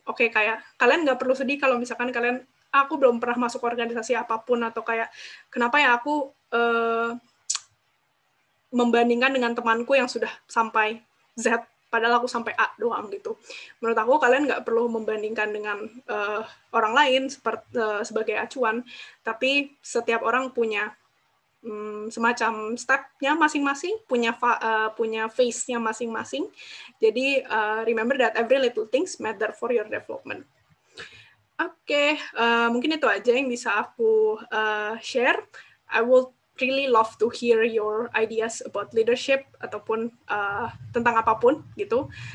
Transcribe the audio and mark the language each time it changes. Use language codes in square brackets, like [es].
[id] Okay, kayak kalian nggak perlu sedih kalau misalkan kalian, aku belum pernah masuk organisasi apapun, atau kayak, kenapa ya aku membandingkan dengan temanku yang sudah sampai Z, padahal aku sampai A doang gitu. Menurut aku, kalian nggak perlu membandingkan dengan orang lain sebagai acuan, tapi setiap orang punya semacam step-nya masing-masing, punya phase-nya masing-masing. [en] Jadi, remember that every little things matter for your development. [id] Okay, mungkin itu aja yang bisa aku share. [en] I would really love to hear your ideas about leadership ataupun tentang apapun gitu.